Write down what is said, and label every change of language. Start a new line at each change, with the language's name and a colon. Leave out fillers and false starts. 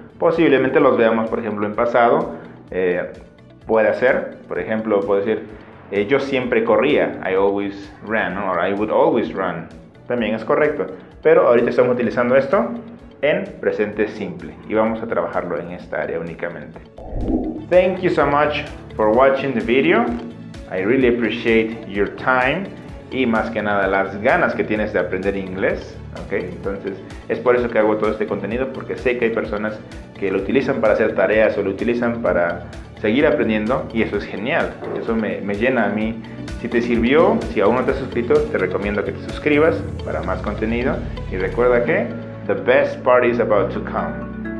Spanish: Posiblemente los veamos, por ejemplo, en pasado. Puede ser, por ejemplo, puedo decir, yo siempre corría,
English: I always ran,
Spanish: ¿no?
English: Or I would always run.
Spanish: También es correcto. Pero ahorita estamos utilizando esto en presente simple y vamos a trabajarlo en esta área únicamente.
English: Thank you so much for watching the video. I really appreciate your time
Spanish: y más que nada las ganas que tienes de aprender inglés, ¿okay? Entonces, es por eso que hago todo este contenido, porque sé que hay personas que lo utilizan para hacer tareas o lo utilizan para seguir aprendiendo y eso es genial. Eso me llena a mí. Si te sirvió, si aún no te has suscrito, te recomiendo que te suscribas para más contenido y recuerda que
English: the best part is about to come.